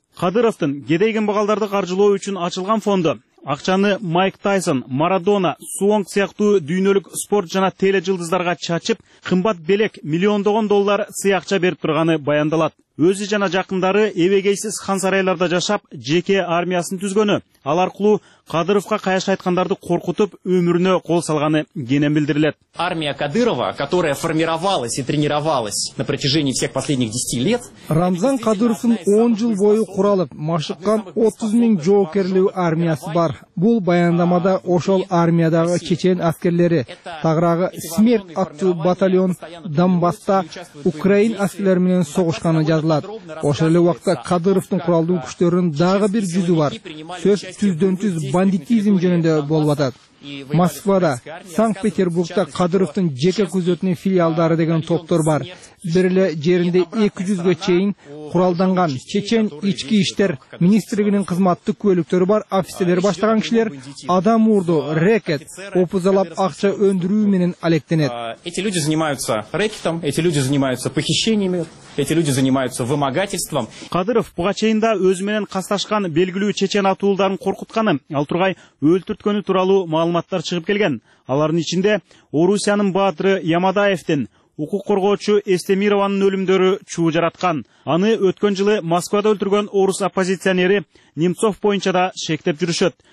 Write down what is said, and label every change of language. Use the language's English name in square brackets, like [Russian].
[Kyrgyz] Кадыровдун кедей кембагалдарды каржылоо үчүн ачылган фонду акчаны Майк Тайсон, Марадона, Суонг сыяктуу дүйнөлүк спорт жана теле жылдыздарга чачып, кымбат белек миллиондогон доллар сыякча берип турганы баяндалат. Өзү жана жакындары эбегейсиз хан сарайларда жашап, жеке армиясын түзгөнү, ал аркылуу Кадыровго каяш айткандарды коркутуп, өмүрүнө кол салганы кенен билдирилет. [Russian] Армия Кадырова, которая формировалась и тренировалась на протяжении всех последних 10 лет, [Kyrgyz] Рамзан Кадыровун 10 жыл бою куралып, машыккан 30 000 жоокерлүү армиясы бар. Бул баяндамада ошол армиядагы чечен аскерлери, тагыраагы Смерть аттуу батальон Донбасста Украин аскерлери менен согушканы жазылат. Ошол эле убакта Кадыровдун куралдуу күчтөрүнүн дагы бир жүзү бар. Сөз түздөн түз бандитизм жөнүндө болуп атат. Москвада, Санкт-Петербургда Кадыровдун жеке күзөтүнүн филиалдары деген топтор бар. Бир эле жеринде 200 чейин куралданган чечен ички иштер министрлигинин кызматтык бөлүктөрү бар офицерлери баштаган кишилер адам урду, рэкет, опузалап акча өндүрүү менен алектенет. [Russian] Эти люди занимаются рэкетом, эти люди занимаются похищениями, эти люди занимаются вымогательством. [Kyrgyz] Кадыров буга чейинде өзү менен касташкан белгилүү чечен атуулдарын коркутканы, ал тургай өлтүрткөнү тууралуу маалыматтар чыгып келген. Алардын ичинде Орусиянын баатыры Ямадаевдин, укук коргоочу Эстемированын өлүмдөрү чуу жараткан. Аны өткөн жылы Москвада өлтүргөн орус оппозиционери Немцов боюнча да шектеп жүрүшөт.